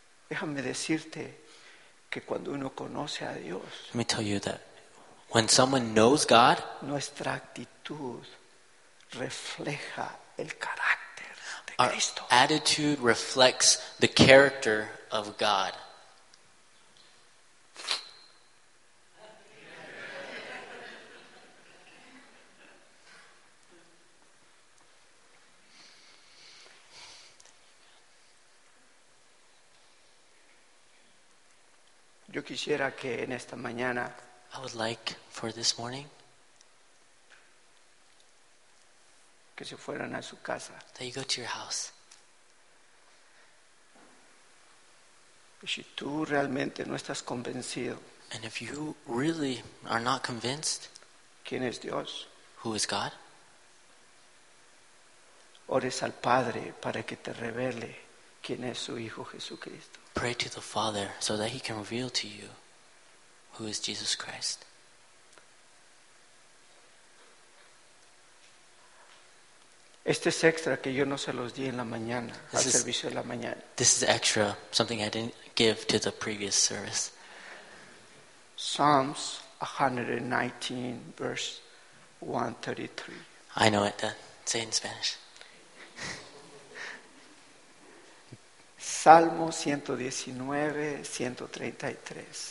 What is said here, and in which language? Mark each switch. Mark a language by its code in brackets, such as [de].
[es] Déjame decirte que cuando uno conoce a Dios, [en] let me tell you that when someone knows God, [es] nuestra actitud refleja el carácter de [en] our [es] Cristo. [en] Attitude reflects the character of God. [es] Yo quisiera que en esta mañana, [en] I would like for this morning, [es] que se fueran a su casa, [en] that you go to your house. [es] Si tú realmente no estás convencido, [en] and if you really are not convinced, [es] ¿quién es Dios? [en] Who is God? [es] Ores al Padre para que te revele quién es su Hijo Jesucristo. [en] Pray to the Father so that He can reveal to you who is Jesus Christ. [es] Este es extra que yo no se los di en la mañana, al servicio de la mañana. [en] This is extra, something I didn't give to the previous service. Psalms 119, verse 133. I know it, Dad. Say it in Spanish. [es] Salmo 119, 133.